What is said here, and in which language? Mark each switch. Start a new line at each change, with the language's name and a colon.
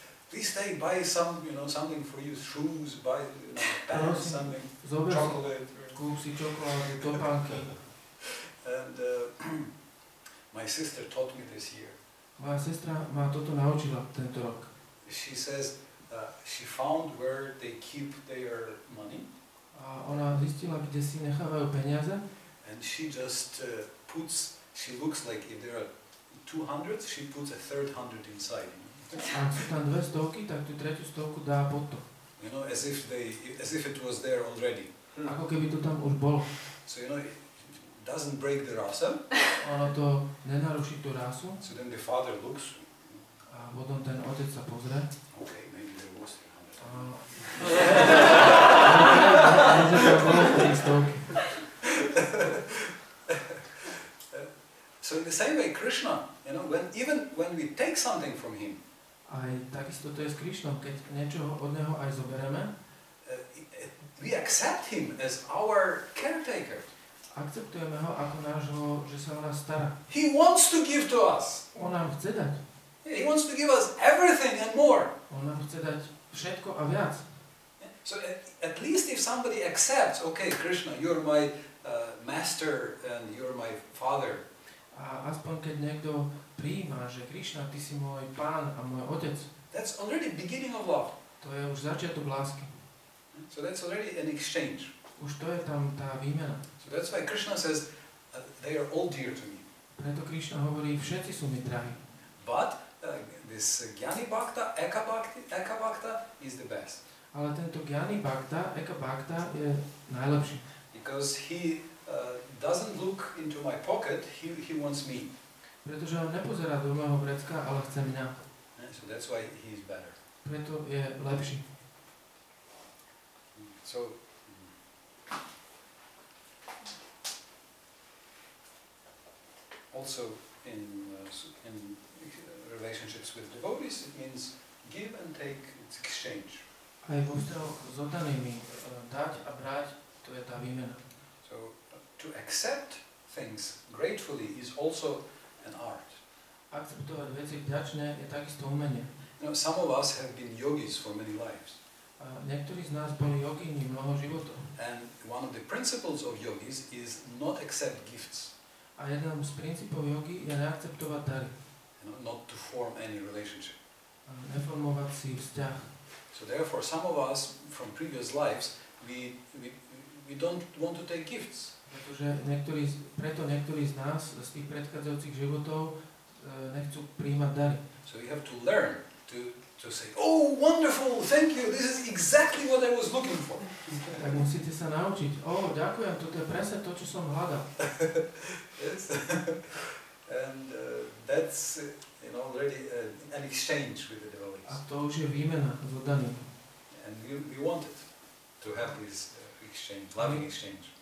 English: Please take, buy some, you know, something for you, shoes, buy, you know, pants, something, chocolate,
Slovak: topanky.
English: And my sister taught me this year.
Slovak: Moja sestra ma toto naučila tento rok.
English: She says she found where they keep their money.
Slovak: A ona zistila, kde si nechávajú peniaze.
English: And she just puts, she looks like if there are 200, she puts a 300 inside.
Slovak: A sú tam dve stovky, tak tú tretiu stovku dá pod to.
English: You know, as if they, as if it was there already.
Slovak: Ako keby to tam už bolo.
English: So you know, doesn't break the rasa.
Slovak: Ono to nenaruší tú rasu.
English: So then the father looks.
Slovak: A potom ten otec sa pozrie.
English: Okay, maybe there was 300. So in the same way, Krishna, you know, when even when we take something from him.
Slovak: Aj takisto to je s Krišnom, keď niečo od neho aj zoberieme.
English: We accept him as our caretaker.
Slovak: Akceptujeme ho ako nášho, že sa o nás stará.
English: He wants to give to us.
Slovak: On nám chce dať.
English: He wants to give us everything and more.
Slovak: On nám chce dať všetko a viac.
English: So at least if somebody accepts, okay, Krishna, you're my master and you're my father.
Slovak: A aspoň keď niekto prijíma, že Krišna, ty si môj pán a môj otec.
English: That's already beginning of love.
Slovak: To je už začiatok lásky.
English: So that's already an exchange.
Slovak: Už to je tam tá výmena.
English: So that's why Krishna says, they are all dear to me.
Slovak: Preto Krišna hovorí, všetci sú mi drahí.
English: But this Gyani Bhakta, Eka Bhakta is the best.
Slovak: Ale tento Gyani Bhakta, Eka Bhakta je najlepší.
English: Because he doesn't look into my pocket, he wants me.
Slovak: Pretože on nepozerá do môjho vrecka, ale chce mňa.
English: So that's why he is better.
Slovak: Preto je lepší.
English: So also in relationships with devotees it means give and take, it's exchange.
Slovak: Aj vo vzťahoch s oddanými dať a brať, to je tá výmena.
English: So to accept things gratefully is also art.
Slovak: Akceptovať veci vďačne je takisto umenie.
English: You know, some of us have been yogis for many lives.
Slovak: Niektorí z nás boli jogíni mnoho životov.
English: And one of the principles of yogis is not accept gifts.
Slovak: A jeden z princípov jogy je neakceptovať dary.
English: You know, not to form any relationship.
Slovak: Neformovať si vzťah.
English: So therefore some of us from previous lives we don't want to take gifts.
Slovak: Preto niektorí z nás z tých predchádzajúcich životov nechcú prijímať dary.
English: So you have to learn to to say, oh, wonderful, thank you, this is exactly what I was looking for.
Slovak: Tak musíte sa naučiť, oh, ďakujem, toto je presne to, čo som hľadal.
English: Yes. And that's an already an exchange with the devotees.
Slovak: A to už je výmena s oddaním.
English: And we want it to have this exchange, loving exchange.